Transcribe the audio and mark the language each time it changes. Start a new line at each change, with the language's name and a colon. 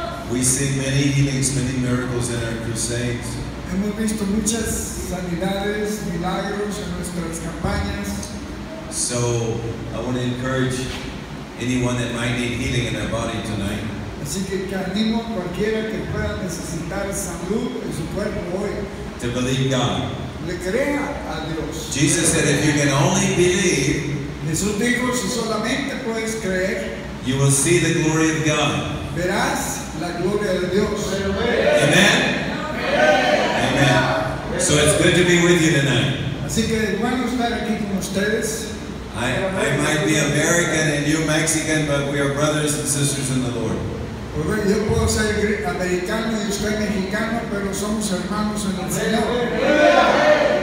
English: We see many healings, many miracles in our crusades.
Spanish: Hemos visto muchas sanidades, milagros en nuestras campañas.
English: So I want to encourage anyone that might need healing in their body tonight.
Spanish: Así que animo a cualquiera que pueda necesitar salud en su cuerpo hoy.
English: To believe God.
Spanish: Le crea a Dios.
English: Jesus said, if you can only believe,
Spanish: Jesús dijo, si solamente puedes creer,
English: you will see the glory of God.
Spanish: Verás la gloria de Dios.
English: Amen. Amen. So it's good to be with you tonight.
Spanish: Así que bueno estar aquí con ustedes.
English: I might be American and you Mexican, but we are brothers and sisters in the Lord.
Spanish: Yo puedo ser americano y usted mexicano, pero somos hermanos en el Señor.